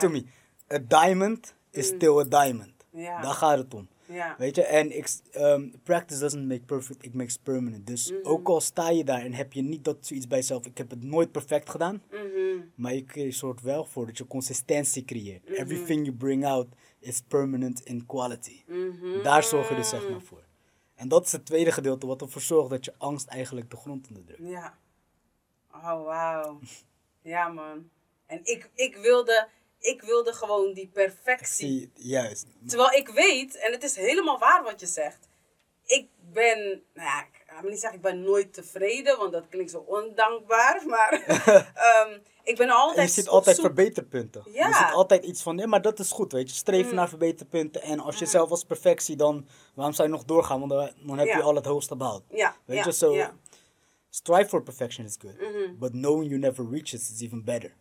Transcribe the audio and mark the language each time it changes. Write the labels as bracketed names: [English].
[English] To me. A diamond is still a diamond. [Dutch] Ja. Daar gaat het om. Ja. Weet je? En [English] practice doesn't make perfect, it makes permanent. [Dutch] Dus ook al sta je daar en heb je niet dat zoiets bij jezelf, ik heb het nooit perfect gedaan. Mm-hmm. Maar je zorgt wel voor dat je consistentie creëert. Mm-hmm. [English] Everything you bring out is permanent in quality. Mm-hmm. [Dutch] Daar zorg je dus zeg maar voor. En dat is het tweede gedeelte wat ervoor zorgt dat je angst eigenlijk de grond onderdrukt. Ja. Oh, wauw. Ja, man. En ik wilde gewoon die perfectie. Juist. Terwijl ik weet, en het is helemaal waar wat je zegt. Ik ben, ik ga me niet zeggen, ik ben nooit tevreden, want dat klinkt zo ondankbaar, maar... ik ben altijd. En je ziet altijd zoek... verbeterpunten. Ja. Je ziet altijd iets van, nee, maar dat is goed, weet je. Streven naar verbeterpunten. En als je zelf als perfectie, dan waarom zou je nog doorgaan? Want dan heb je al het hoogste behaald. Ja. Weet je, [English] zo. Strive for perfection is good. Mm-hmm. But knowing you never reach it is even better.